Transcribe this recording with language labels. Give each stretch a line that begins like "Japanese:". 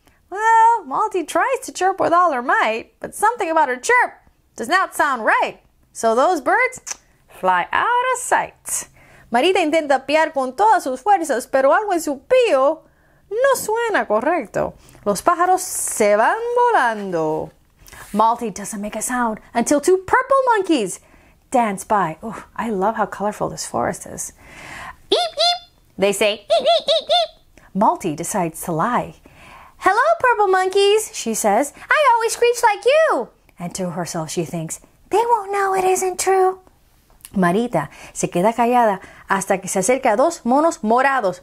English: Well, Malty tries to chirp with all her might, but something about her chirp does not sound right. So those birds fly out of sight.
Spanish: Marita intenta piar con todas sus fuerzas, pero algo en su pío no suena correcto. Los pájaros se van volando.
English: Malty doesn't make a sound until two purple monkeys dance by. Oh, I love how colorful this forest is. Eep, eep. They say, eep, eep, eep, eep. Malty decides to lie. Hello, purple monkeys, she says. I always screech like you. And to herself, she thinks, they won't know it isn't true.
Spanish: Marita se queda callada hasta que se acerca a dos monos morados.